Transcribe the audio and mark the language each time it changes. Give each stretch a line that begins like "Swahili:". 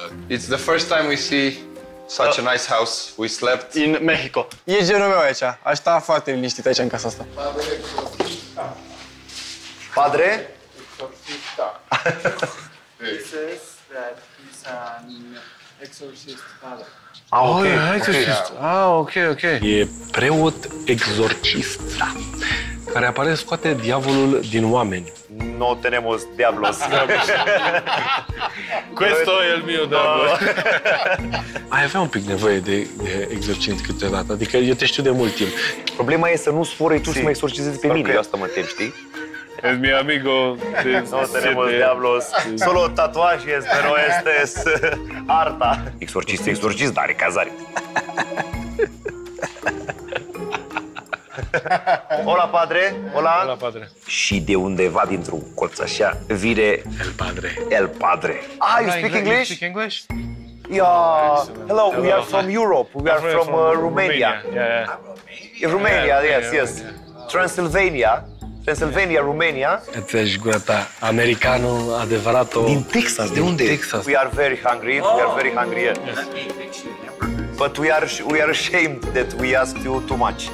English: It's the first time we see such a nice house. We slept in Mexico.
Romanian: E genul meu aici. Aș sta foarte liniștit aici în casa asta.
Spanish: Padre?
English: Exorcist, padre. Ah, okay. Exorcist. Yeah. Ah, ok.
Romanian: E preot exorcist, da. Care apare să scoate diavolul din oameni.
Spanish: No tenemos diablos.
Italian: Questo e il mio diavolo.
Romanian: Ai avea un pic nevoie de exorcist câteodată, adică eu te știu de mult timp. Problema e să nu sfurăi tu să mă exorcizezi pe mine. Că eu asta mă tem, știi?
Spanish: Es mi amigo. No tenemos diablos. Solo tatuajes, pero este es harta.
Romanian: Exorcist, exorcist, dar e cazare.
Spanish: Hola, padre. Hola. Hola, padre.
Romanian: Și de undeva dintr-un colț așa vine...
Spanish: El padre. El padre.
English: Ah, you speak English? You speak English? Yeah. Hello, we are from Europe. We are from Romania. Yeah, yeah. Romania, yes. Transylvania. Pennsylvania, Romania.
Romanian: Ești gura ta, americanul adevărat. Din Texas, de unde? Texas.
English: We are very hungry, we are very hungry. Yes. But we are ashamed that we asked you too much.